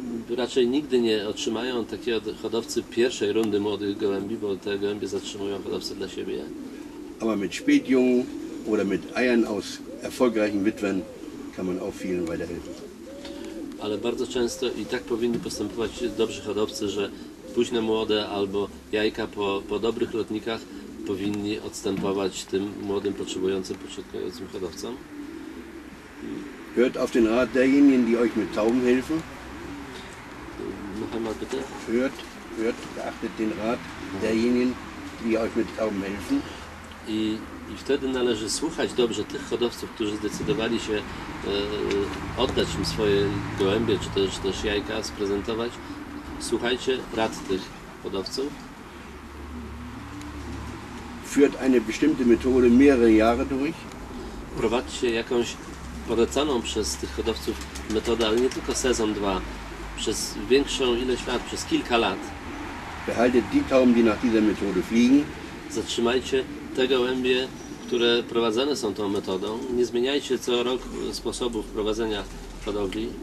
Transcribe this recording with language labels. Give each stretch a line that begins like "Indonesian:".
Polish: Raczej nigdy nie otrzymają takiego hodowcy pierwszej rundy młodych gołębi, bo te gołębie zatrzymują hodowcę dla siebie.
German: Aber mit Spätjungen oder mit Eiern aus erfolgreichen Witwen kann man auch vielen weiterhelfen.
Polish: Ale bardzo często i tak powinni postępować dobrzy hodowcy, że późne młode albo jajka po dobrych lotnikach powinni odstępować tym młodym, potrzebującym, początkującym hodowcom.
German: Hört auf den Rat derjenigen, die euch mit Tauben helfen. Noch einmal bitte. Hört, beachtet den Rat derjenigen, die euch mit Tauben helfen.
Polish: I wtedy należy słuchać dobrze tych hodowców, którzy zdecydowali się oddać im swoje gołębie, czy też jajka, sprezentować. Słuchajcie rad tych hodowców.
German: Führt eine bestimmte Methode mehrere Jahre durch.
Polish: Prowadźcie jakąś polecaną przez tych hodowców metodę, ale nie tylko sezon, dwa. Przez większą ilość lat, przez kilka lat.
German: Behaltet die Tauben, die nach dieser Methode fliegen.
Polish: Zatrzymajcie te gołębie, które prowadzone są tą metodą. Nie zmieniajcie co rok sposobów prowadzenia hodowli.